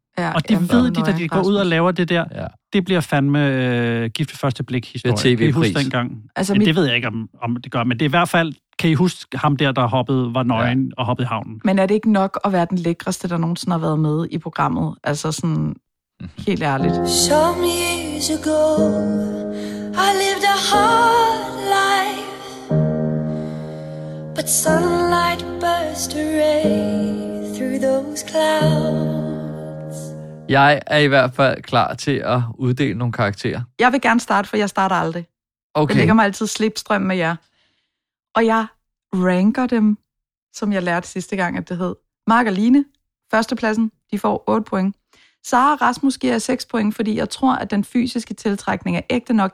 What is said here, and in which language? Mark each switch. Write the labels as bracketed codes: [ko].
[da] Ja, og det ved de, da de går ud og laver det der. Ja. Det bliver fandme gift ved første blik historie. Det er TV-pris. Kan I huske altså, det ved jeg ikke, om det gør, men det er i hvert fald, kan I huske ham der, der hoppede, var nøgen og hoppede i havnen. Men er det ikke nok at være den lækreste, der nogensinde har været med i programmet? Altså sådan, helt ærligt. [en] Some years ago, I lived a hard life. But sunlight burst a ray through those clouds. [da] Jeg er i hvert fald klar til at uddele nogle karakterer. Jeg vil gerne starte, for jeg starter aldrig. Okay. Jeg lægger mig altid slipstrøm med jer. Og jeg ranker dem, som jeg lærte sidste gang, at det hed. Mark og Line, førstepladsen, de får 8 point. Sara og Rasmus giver jeg 6 point, fordi jeg tror, at den fysiske tiltrækning er ægte nok.